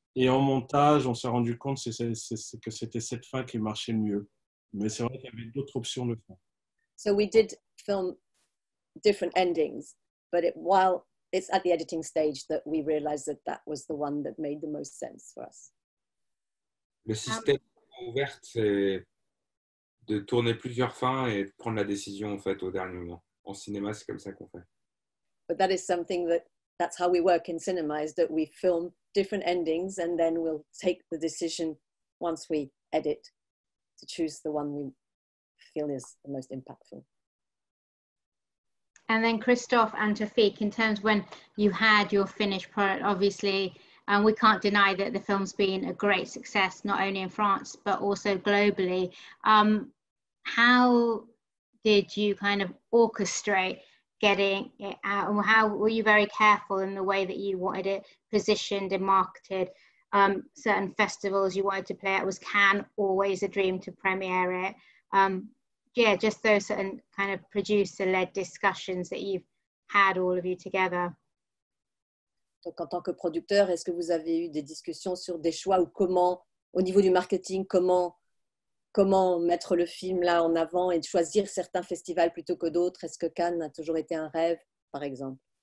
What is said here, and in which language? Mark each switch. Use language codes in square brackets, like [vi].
[fr] Et en montage, on s'est rendu compte que c'était cette fin qui marchait le mieux. Mais c'est vrai qu'il y avait d'autres options de fin. [en] So we did film different endings, but it's at the editing stage that we realized that that was the one that made the most sense for us. [fr] Le système ouvert, c'est de tourner plusieurs fins et de prendre la décision en fait au dernier moment. En cinéma, c'est comme ça qu'on fait. [en] But that is something that's how we work in cinema, is that we film different endings and then we'll take the decision once we edit to choose the one we feel is the most impactful. And then Christophe and Toufik, in terms of when you had your finished product, obviously, and we can't deny that the film's been a great success, not only in France, but also globally. How did you kind of orchestrate getting it out? And how were you very careful in the way that you wanted it positioned and marketed? Certain festivals you wanted to play at, was Cannes always a dream to premiere it? Just those certain kind of producer-led discussions that you've had, all of you together. [fr] Donc, en tant que producteur, est-ce que vous avez eu des discussions sur des choix ou comment, au niveau du marketing, comment mettre le film là en avant et choisir certains festivals plutôt que d'autres? Est-ce que Cannes a toujours été un rêve, par exemple?